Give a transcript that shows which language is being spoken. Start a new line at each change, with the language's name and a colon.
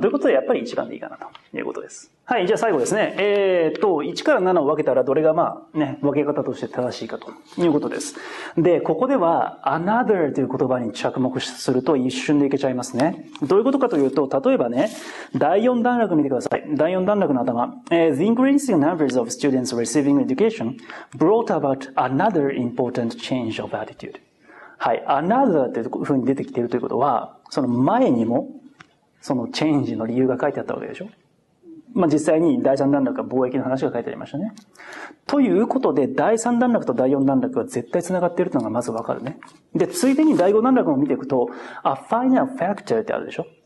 Japanese: ということで、やっぱり1番でいいかな、ということです。はい。じゃあ最後ですね。 1から7を分けたら、どれがまあ、ね、分け方として正しいか、ということです。で、ここでは、another という言葉に着目すると一瞬でいけちゃいますね。どういうことかというと、例えばね、第4段落見てください。第4段落の頭。
English: The increasing numbers of students receiving education brought about another important change of attitude.
Japanese: はい。 another という風に出てきているということは、その前にも、そのチェンジの理由が書いてあったわけでしょ。まあ、実際に第3段落は貿易の話が書いてありましたね。ということで、第3段落と第4段落は絶対繋がっているというのがまずわかるね。で、ついでに第5段落も見ていくと、
English: a final factor
Japanese: ってあるでし